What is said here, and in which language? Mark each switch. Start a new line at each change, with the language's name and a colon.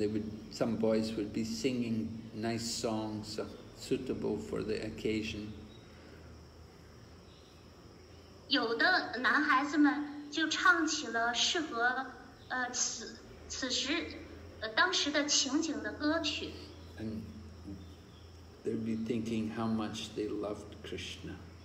English: they would, some boys would be singing nice songs suitable for the occasion.
Chinese: 有的男孩子们就唱起了适合此时当时的情景的歌曲。
English: They'd be thinking how much they loved Krishna.